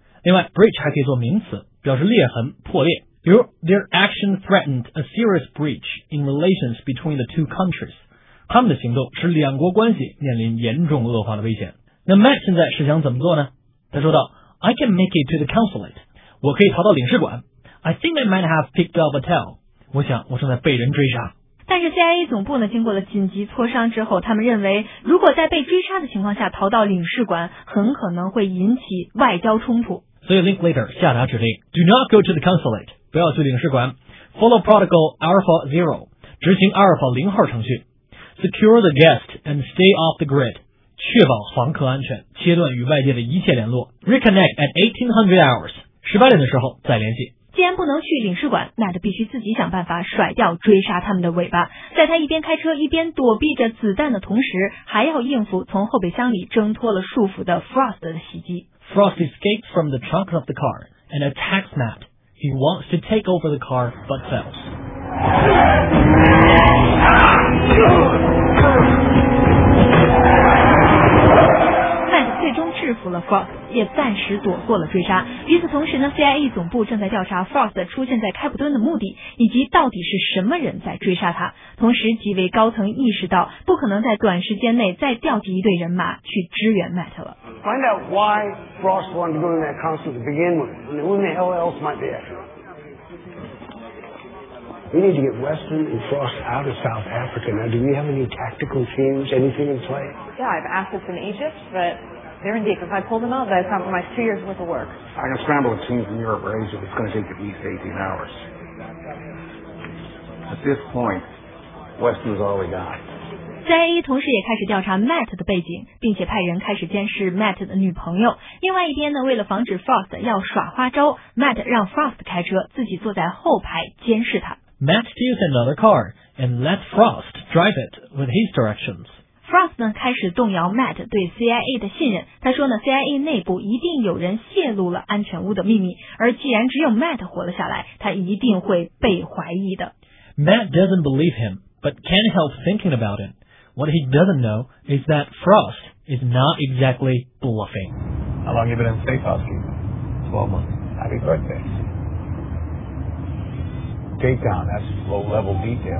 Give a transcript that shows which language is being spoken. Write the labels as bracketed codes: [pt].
[zh] 另外 ，breach 还可以做名词，表示裂痕、破裂。比如 ， [en] their action threatened a serious breach in relations between the two countries。 [zh] 他们的行动使两国关系面临严重恶化的危险。那 Matt 现在是想怎么做呢？他说道 [en] I can make it to the consulate. [zh] 我可以逃到领事馆。 [en] I think I might have picked up a tail. [zh] 我想我正在被人追杀。但是 CIA 总部呢，经过了紧急磋商之后，他们认为如果在被追杀的情况下逃到领事馆，很可能会引起外交冲突。所以 Linklater 下达指令 [en] Do not go to the consulate. [zh] 不要去领事馆。 [en] Follow protocol Alpha Zero. [zh] 执行 Alpha 零号程序。 [en] Secure the guest and stay off the grid. [zh] 确保房客安全，切断与外界的一切联络。 [en] Reconnect at 1800 hours. [zh] 18点的时候再联系。既然不能去领事馆，那就必须自己想办法甩掉追杀他们的尾巴。在他一边开车一边躲避着子弹的同时，还要应付从后备箱里挣脱了束缚的 Frost 的袭击。 [en] Frost escapes from the trunk of the car and attacks Matt. He wants to take over the car but fails. [zh] Matt 最终制服了 Frost， 也暂时躲过了追杀。与此同时呢 ，CIA 总部正在调查 Frost 出现在开普敦的目的，以及到底是什么人在追杀他。同时，几位高层意识到不可能在短时间内再调集一队人马去支援 Matt 了。 [en] Find out why Frost wanted to go to that concert to begin with. I mean, who in the hell else might be after him? We need to get Weston and Frost out of South Africa. Now, do we have any tactical teams, anything in play? Yeah, I have assets in Egypt, but they're in deep. If I pull them out, that's compromised 2 years worth of work. I can scramble a team from Europe or Asia, but it's going to take at least 18 hours. At this point, Weston is all we got. [zh] CIA 同时也开始调查 Matt 的背景，并且派人开始监视 Matt 的女朋友。另外一边呢，为了防止 Frost 要耍花招， Matt 让 Frost 开车，自己坐在后排监视他。 [en] Matt steals another car and let Frost drive it with his directions. [zh] Frost 呢开始动摇 Matt 对 CIA 的信任。他说呢 ，CIA 内部一定有人泄露了安全屋的秘密，而既然只有 Matt 活了下来，他一定会被怀疑的。 [en] Matt doesn't believe him, but can't help thinking about it. What he doesn't know is that Frost is not exactly bluffing. How long have you been in safe house, Keith? 12 months. Happy birthday. Takedown, that's low-level detail.